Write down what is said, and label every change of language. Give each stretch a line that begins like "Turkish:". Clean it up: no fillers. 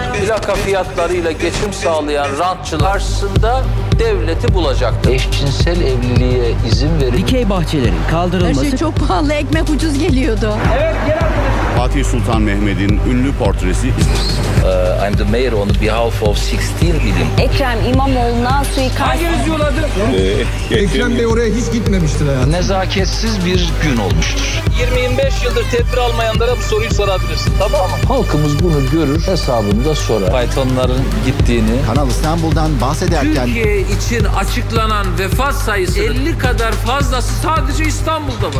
Turkish: Plaka fiyatlarıyla geçim sağlayan rantçılar karşısında devleti bulacaktı. Eşcinsel evliliğe izin verin. Dikey bahçelerin kaldırılması. Her şey çok pahalı, ekmek ucuz geliyordu. Evet, gel arkadaşım. Fatih Sultan Mehmet'in ünlü portresi.
English: I'm the mayor on behalf of 16 million.
Turkish: Ekrem İmamoğlu'na suikast. Hangi yüzyıladır? Ekrem Bey oraya hiç gitmemiştir hayatım. Nezaketsiz bir gün olmuştur. 25 yıldır tedbir almayanlara bu soruyu sorabilirsin, tamam mı? Halkımız bunu görür, hesabını da sorar. Faytonların gittiğini. Kanal İstanbul'dan bahsederken. Türkiye için açıklanan vefat sayısı 50 kadar fazlası sadece İstanbul'da var.